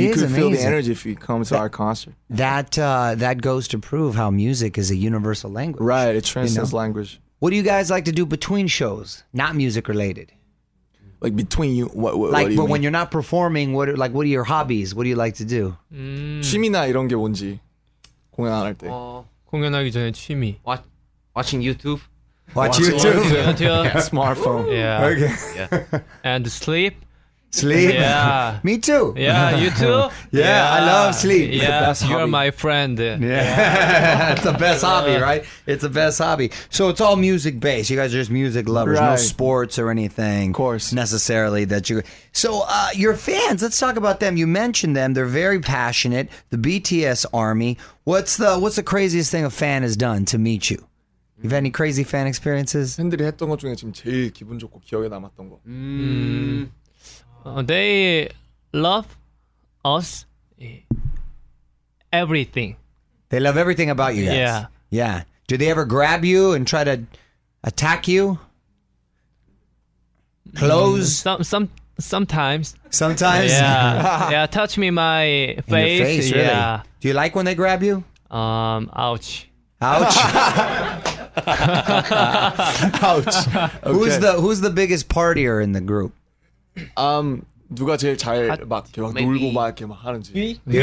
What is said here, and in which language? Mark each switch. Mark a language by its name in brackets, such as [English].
[English] You could feel the energy if you come to our concert. That goes to prove how music is a universal language. Right, it transcends language. What do you guys like to do between shows, not music related? Like between you, what do you mean? But when you're not performing, what are your hobbies? What do you like to do? [Korean] 취미나 이런 게 뭔지 공연 안 할 때. 공연하기 전에 취미. [English] Watching YouTube. Watch YouTube. Smartphone. Yeah. Okay. Yeah. And sleep. Sleep. Yeah. Me too. Yeah, you too. Yeah, yeah. I love sleep. Yeah, that's you're hobby. My friend. Yeah, it's the best hobby, right? It's the best hobby. So it's all music based. You guys are just music lovers, right? No sports or anything, of course, necessarily. That you. So your fans. Let's talk about them. You mentioned them. They're very passionate. The BTS Army. What's the craziest thing a fan has done to meet you? You've had any crazy fan experiences? [Korean] 팬들이 했던 것 중에 지금 제일 기분 좋고 기억에 남았던 거. [English] They love us everything. They love everything about you guys. Yeah. Yeah. Do they ever grab you and try to attack you? Clothes? Sometimes. Sometimes? Yeah. Yeah, touch me my face. In your face, yeah. Really? Do you like when they grab you? Ouch. Ouch. Ouch. Okay. Who's the biggest partier in the group? [Korean] 누가 제일 잘 막 계속 놀고 막 이렇게 막 하는지.